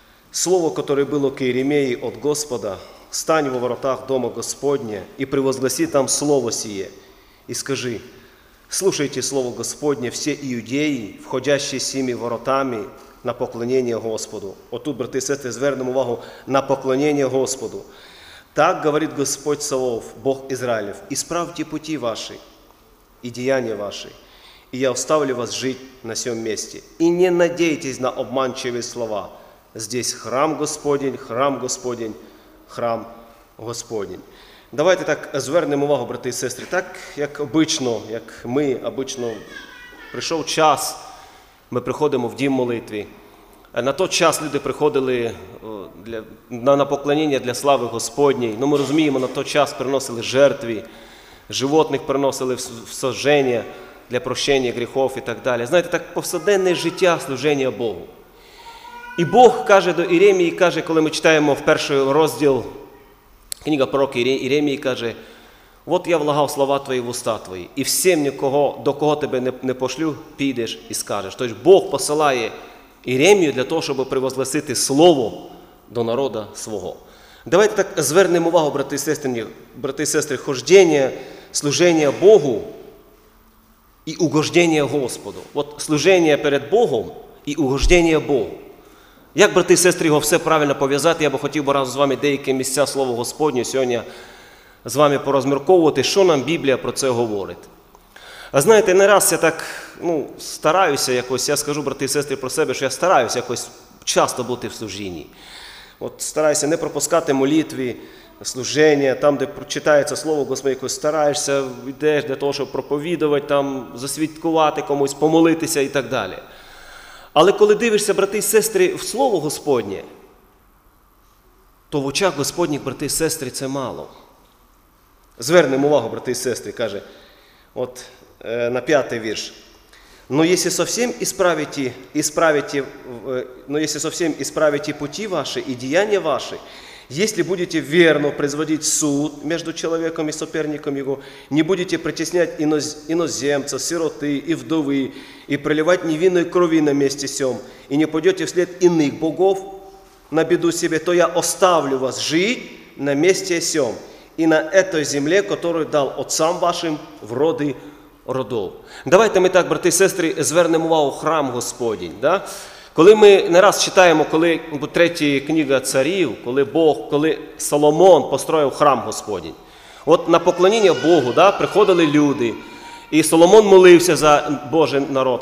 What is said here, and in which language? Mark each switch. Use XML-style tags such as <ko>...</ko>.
<uk>Слово, яке було к Єремії від Господа, стань во воротах Дома Господня і привозгласи там слово сіє, і скажи, слушайте слово Господнє, всі іудеї, входящі сіми воротами, на поклонение Господу. Отут, брати і сестри, звернемо увагу на поклонение Господу.</uk> <ru>Так говорит Господь Саваоф, Бог Израилев, исправьте пути ваши и деяния ваши, и я оставлю вас жить на сём месте. И не надейтесь на обманчивые слова. Здесь храм Господень, храм Господень, храм Господень.</ru> <uk>Давайте так звернемо увагу, брати і сестри, так, як обично, як ми обично, прийшов час, ми приходимо в дім молитви. На той час люди приходили на поклоніння для слави Господній. Ну, ми розуміємо, на той час приносили жертви, животних приносили в сожження для прощення гріхов і так далі. Знаєте, так повсякденне життя служення Богу. І Бог каже до Єремії, каже, коли ми читаємо в перший розділ книга пророка Єремії, каже, от я влагав слова твої в уста твої, і всім, до кого тебе не пошлю, підеш і скажеш. Тож Бог посилає Єремію для того, щоб привозгласити слово до народу свого. Давайте так звернемо увагу, брати і сестри, ходження, служення Богу,</uk> <ru>и угождение Господу. Вот служение перед Богом и угождение Богу.</ru> <uk>Як, брати і сестри, його все правильно пов'язати, я би хотів би разом з вами деякі місця Слова Господнє сьогодні з вами порозмірковувати, що нам Біблія про це говорить. А знаєте, не раз я так стараюся якось, я скажу, брати і сестри, про себе, що я стараюся якось часто бути в служінні. От стараюся не пропускати молитви, служення, там, де прочитається Слово Господнє, якось стараєшся, йдеш для того, щоб проповідувати, там, засвідкувати комусь, помолитися і так далі. Але коли дивишся, брати і сестри, в Слово Господнє, то в очах Господніх, брати і сестри, це мало. Звернемо увагу, брати і сестри, каже, от на п'ятий вірш.</uk> <ru>«Но если совсем исправите, исправите, но если совсем исправите пути ваши и деяния ваши, если будете верно производить суд между человеком и соперником его, не будете притеснять иноземца, сироты и вдовы, и проливать невинной крови на месте сём, и не пойдете вслед иных богов на беду себе, то я оставлю вас жить на месте сём и на этой земле, которую дал отцам вашим в роды родов».</ru> <uk>Давайте ми так, брати і сестри, звернемо увагу храм Господень. Да? Коли ми не раз читаємо, коли третя книга царів, коли Бог, коли Соломон построїв храм Господень. От на поклоніння Богу, да, приходили люди, і Соломон молився за Божий народ.</uk>